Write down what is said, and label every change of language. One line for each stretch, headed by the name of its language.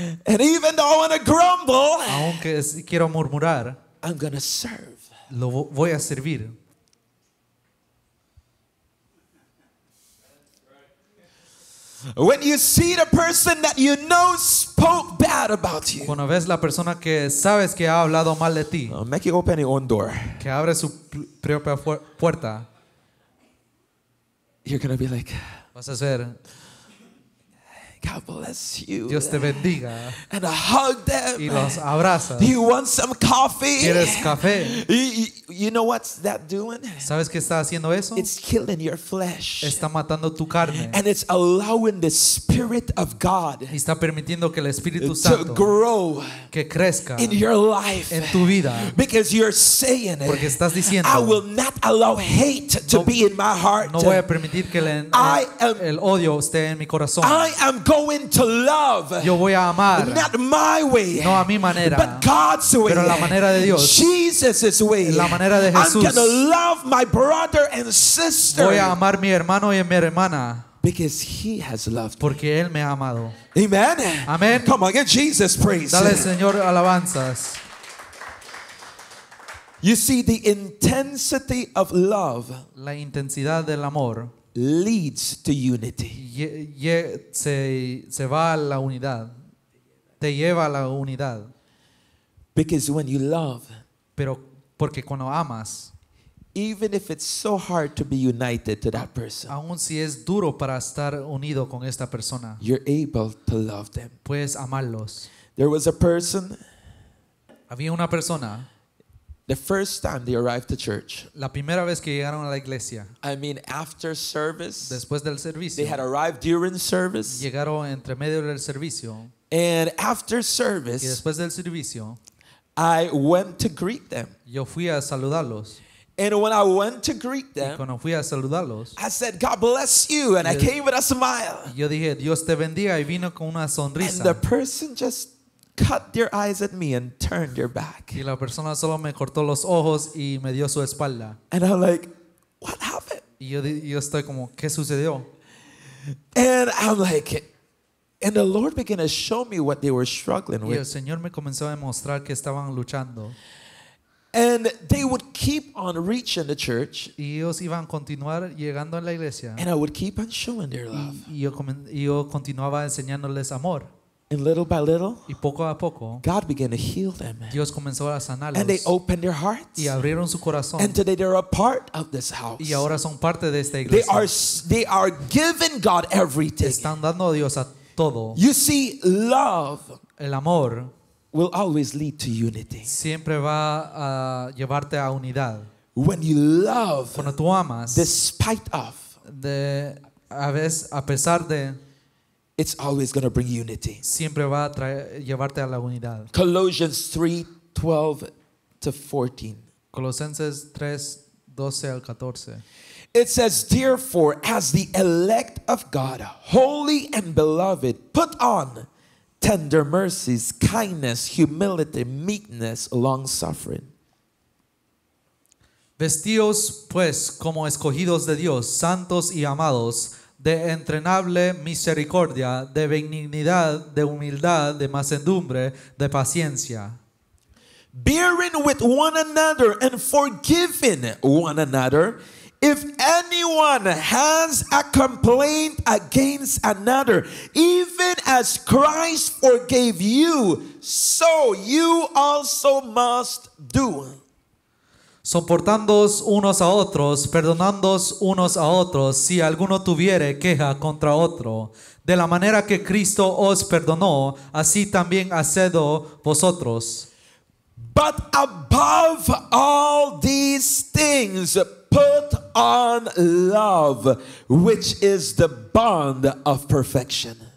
English: And even though I want to grumble.
Spanish: Aunque quiero murmurar.
English: I'm gonna serve.
Spanish: Lo voy a servir.
English: When you see the person that you know spoke bad about you.
Spanish: Cuando ves la persona que sabes que ha hablado mal de ti.
English: Make it open your own door.
Spanish: Que abre su propia puerta.
English: You're gonna be like.
Spanish: Vas a ser.
English: God bless you.
Spanish: Dios te bendiga.
English: And I hug them.
Spanish: Y los abrazas.
English: Do you want some coffee?
Spanish: ¿Quieres café?
English: You know what's that doing?
Spanish: ¿Sabes qué está haciendo eso?
English: It's killing your flesh.
Spanish: Está matando tu carne.
English: And it's allowing the Spirit of God.
Spanish: Y está permitiendo que el Espíritu Santo
English: to grow
Spanish: que crezca
English: in your life.
Spanish: En tu vida.
English: Because you're saying,
Spanish: porque estás diciendo,
English: I will not allow hate to be in my heart.
Spanish: No voy a permitir que el odio esté en mi corazón.
English: I am going to love.
Spanish: Yo voy a amar.
English: Not my way.
Spanish: No a mi manera.
English: But God's way.
Spanish: Pero la manera de Dios.
English: Jesus's way.
Spanish: La manera de Jesús.
English: I'm going to love my brother and sister.
Spanish: Voy a amar mi hermano y mi hermana.
English: Because he has loved me.
Spanish: Porque él me ha amado.
English: Amen.
Spanish: Amen.
English: Come on, give Jesus praise.
Spanish: Dale, Señor, alabanzas.
English: You see, the intensity of love.
Spanish: La intensidad del amor.
English: Leads to unity.
Spanish: Se va a la unidad. Te lleva a la unidad.
English: Because when you love,
Spanish: pero porque cuando amas,
English: even if it's so hard to be united to that person,
Spanish: aun si es duro para estar unido con esta persona,
English: you're able to love them.
Spanish: Puedes amarlos.
English: There was a person.
Spanish: Había una persona.
English: The first time they arrived to church.
Spanish: La primera vez que llegaron a la iglesia.
English: I mean, after service.
Spanish: Después del servicio.
English: They had arrived during service.
Spanish: Llegaron entre medio del servicio.
English: And after service.
Spanish: Y después del servicio.
English: I went to greet them.
Spanish: Yo fui a saludarlos.
English: And when I went to greet them.
Spanish: Y cuando fui a saludarlos.
English: I said, God bless you. And I came with a smile.
Spanish: Yo dije, Dios te bendiga. Y vino con una sonrisa.
English: And the person just cut your eyes at me and turned your back.
Spanish: Y la persona solo me cortó los ojos y me dio su espalda.
English: And I'm like, what happened?
Spanish: Y yo estoy como, ¿qué sucedió?
English: And I'm like, and the Lord began to show me what they were struggling with.
Spanish: Y el Señor me comenzó a mostrar que estaban luchando.
English: And they would keep on reaching the church.
Spanish: Y ellos iban a continuar llegando a la iglesia.
English: And I would keep on showing their love.
Spanish: Y yo continuaba enseñándoles amor.
English: And little by little,
Spanish: y poco a poco,
English: God began to heal them.
Spanish: Dios comenzó a sanarlos.
English: And they opened their hearts.
Spanish: Y abrieron su corazón.
English: And today they're a part of this house.
Spanish: Y ahora son parte de esta iglesia.
English: They are giving God everything.
Spanish: Están dando a Dios a todo.
English: You see, love,
Spanish: el amor,
English: will always lead to unity.
Spanish: Siempre va a llevarte a unidad.
English: When you love,
Spanish: cuando tú amas,
English: despite of,
Spanish: de a veces a pesar de.
English: It's always going to bring unity.
Spanish: Siempre va a llevarte a la unidad.
English: Colossians 3:12-14.
Spanish: Colosenses 3:12-14.
English: It says, therefore, as the elect of God, holy and beloved, put on tender mercies, kindness, humility, meekness, long-suffering.
Spanish: Vestíos, pues, como escogidos de Dios, santos y amados, de entrañable misericordia, de benignidad, de humildad, de mansedumbre, de paciencia.
English: Bearing with one another and forgiving one another, if anyone has a complaint against another, even as Christ forgave you, so you also must do.
Spanish: Soportándoos unos a otros, perdonándoos unos a otros, si alguno tuviere queja contra otro, de la manera que Cristo os perdonó, así también hacedlo vosotros.
English: But above all these things, put on love, which is the bond of perfection.